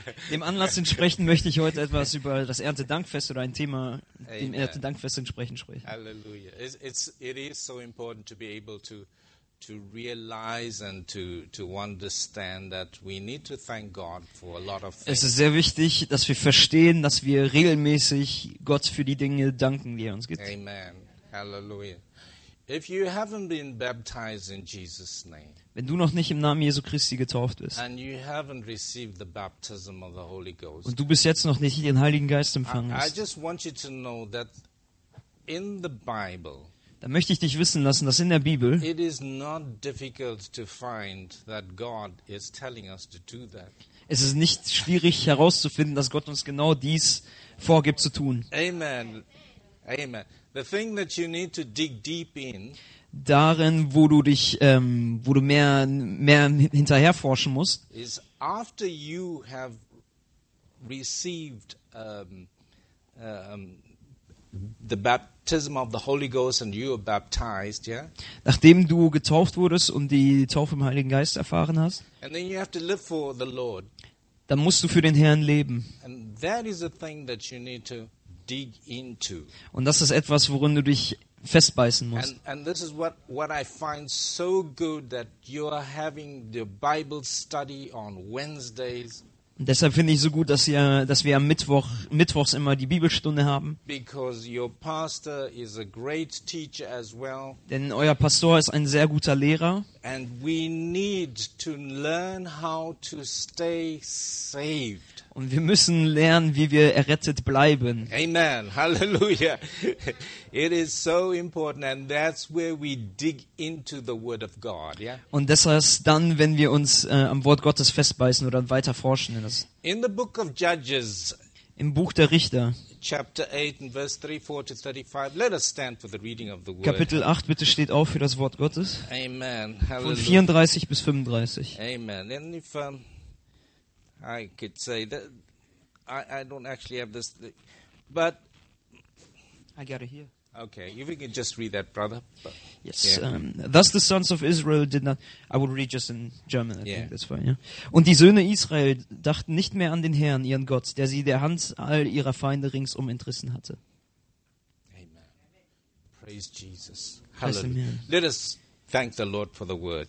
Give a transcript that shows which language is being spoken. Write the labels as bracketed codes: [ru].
[de] Dem Anlass entsprechen möchte ich heute etwas über das Erntedankfest oder ein Thema, dem Erntedankfest entsprechend sprechen. Hallelujah. [en] It is so important to be able to realize and to understand that we need to thank God for a lot of things. [de] Es ist sehr wichtig, dass wir verstehen, dass wir regelmäßig Gott für die Dinge danken, die er uns gibt. Amen. Hallelujah. [en] If you haven't been baptized in Jesus' name, [de] wenn du noch nicht im Namen Jesu Christi getauft bist, [en] and you haven't received the baptism of the Holy Ghost, [de] und du bis jetzt noch nicht den Heiligen Geist empfangen hast, [en] I just want you to know that in the Bible, [de] dann möchte ich dich wissen lassen, dass in der Bibel, [en] it is not difficult to find that God is telling us to do that. [de] Es ist nicht schwierig herauszufinden, dass Gott uns genau dies vorgibt zu tun. Amen. Amen. [en] The thing that you need to dig deep in, [de] darin, wo du dich, wo du mehr hinterher forschen musst, [en] is after you have received the baptism of the Holy Ghost and you are baptized, yeah. [de] Nachdem du getauft wurdest und die Taufe im Heiligen Geist erfahren hast, [en] and then you have to live for the Lord. [de] Dann musst du für den Herrn leben. [en] And that is the thing that you need to dig into. [de] Und das ist etwas, worin du dich festbeißen musst. [en] And this is what I find so good that you are having the Bible study on Wednesdays. [de] Und deshalb finde ich so gut, dass wir am Mittwochs immer die Bibelstunde haben. [en] Because your pastor is a great teacher as well. [de] Denn euer Pastor ist ein sehr guter Lehrer. [en] And we need to learn how to stay saved. [de] Und wir müssen lernen, wie wir errettet bleiben. Amen. Hallelujah. [en] It is so important, and that's where we dig into the Word of God. Yeah. [de] Und das ist dann, wenn wir uns am Wort Gottes festbeißen oder weiter forschen. [en] In the book of Judges, [de] im Buch der Richter, [en] chapter 8 and verse 34 to 35, let us stand for the reading of the word. [de] Kapitel 8, bitte steht auf für das Wort Gottes. Amen. Von 34 bis 35. Amen. [en] And if I could say that I don't actually have this, but I got it here. Okay, if we can just read that, brother. Yes, thus the sons of Israel did not... I would read just in German, I think that's fine. Yeah? [de] Und die Söhne Israel dachten nicht mehr an den Herrn, ihren Gott, der sie der Hand all ihrer Feinde ringsum entrissen hatte. [en] Amen. Praise Jesus. Hallelujah. Let us thank the Lord for the word.